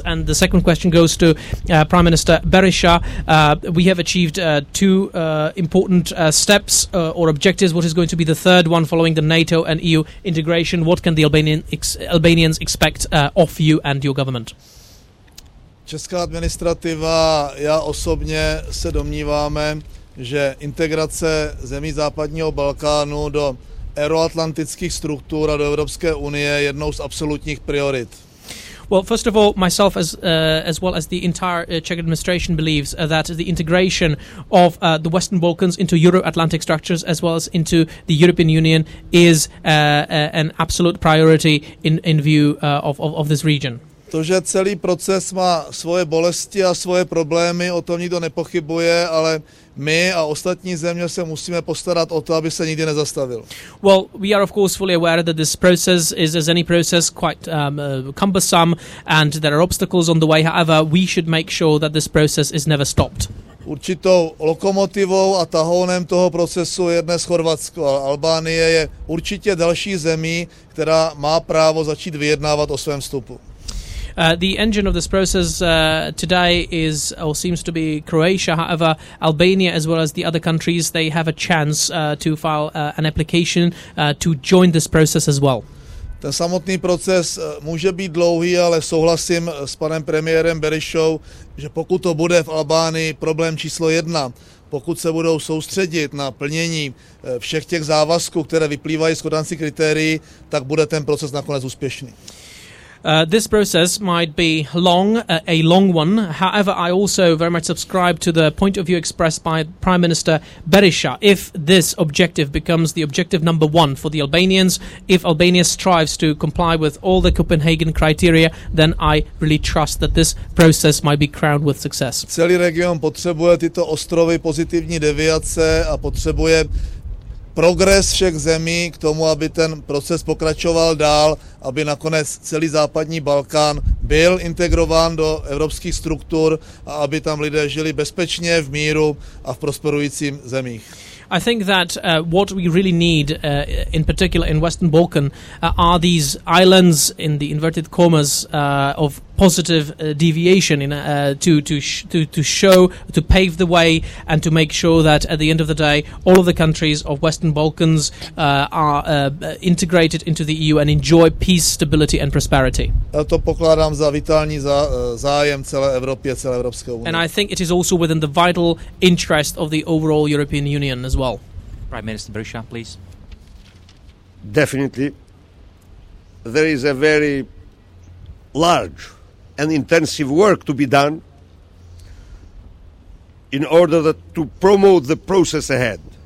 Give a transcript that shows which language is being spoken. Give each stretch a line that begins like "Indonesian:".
English: And the second question goes to Prime Minister Berisha. We have achieved two important steps or objectives. What is going to be the third one following the NATO and EU integration? What can the Albanians expect of you and your government?
Czech: Česká administrativa, já osobně se domníváme, že integrace zemí západního Balkánu do euroatlantických struktur a do Evropské unie je jednou z absolutních priorit.
English: Well, first of all, myself as well as the entire Czech administration believes that the integration of the Western Balkans into Euro-Atlantic structures as well as into the European Union is an absolute priority in view of this region.
Czech: To, že celý proces má svoje bolesti a svoje problémy, o tom nikdo nepochybuje, ale my a ostatní země se musíme postarat o to, aby se nikdy nezastavil.
English: Well, we are of course fully aware that this process is, as any process, quite cumbersome and there are obstacles on the way. However, we should make sure that this process is never stopped.
Czech: Určitou lokomotivou a tahounem toho procesu je dnes Chorvatsko, ale Albánie je určitě další zemí, která má právo začít vyjednávat o svém vstupu.
English: The engine of this process today is or seems to be Croatia. However, Albania as well as the other countries, they have a chance to file an application to join this process as well.
Czech: Ten samotný proces může být dlouhý, ale souhlasím s panem premiérem Berishou, že pokud to bude v Albánii problém číslo jedna, pokud se budou soustředit na plnění všech těch závazků, které vyplývají z kodanci kritérií, tak bude ten proces nakonec úspěšný.
English: This process might be long, a long one. However, I also very much subscribe to the point of view expressed by Prime Minister Berisha. If this objective becomes the objective number one for the Albanians, if Albania strives to comply with all the Copenhagen criteria, then I really trust that this process might be crowned with success.
Czech: Celý region potřebuje tyto ostrovy pozitivní deviace a potřebuje progres všech zemí k tomu, aby ten proces pokračoval dál, aby nakonec celý západní Balkán byl integrován do evropských struktur a aby tam lidé žili bezpečně, v míru a v prosperujících zemích.
English: I think that what we really need in particular in Western Balkan are these islands in the inverted commas of positive deviation in to show to pave the way and to make sure that at the end of the day all of the countries of Western Balkans are integrated into the EU and enjoy peace, stability and prosperity.
Czech: To pokládám za vitální zájem celé Evropy, celé Evropské unie.
English: And I think it is also within the vital interest of the overall European Union as well. Prime Minister Berisha, please. Definitely. There is a very large and intensive work to be done in order to promote the process ahead.